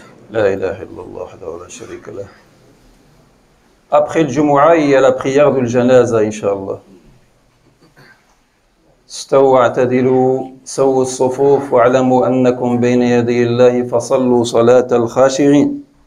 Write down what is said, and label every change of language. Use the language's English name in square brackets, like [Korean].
[Arabic] لا إله إلا الله وحده لا شريك له. [French] Après le Jumu'ah, il y a la prière de la janaza, Inch'Allah. [Arabic] استووا واعتدلوا سووا الصفوف واعلموا أنكم بين يدي الله فصلوا صلاة الخاشعين.